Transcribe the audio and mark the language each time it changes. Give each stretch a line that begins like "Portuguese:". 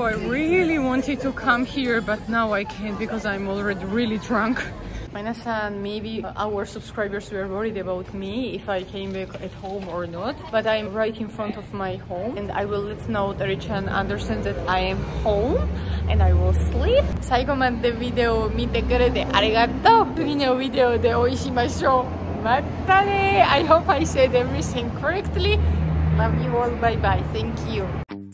English: I really wanted to come here, but now I can't because I'm already really drunk. Mina-san, maybe our subscribers were worried about me if I came back at home or not, but I'm right in front of my home and I will let know that Teri-chan understand that I am home and I will sleep.
Japanese: 最後までビデオを見てくれてありがとう。次のビデオでお会いしましょう。またね。
English: I hope I said everything correctly. Love you all. Bye bye. Thank you.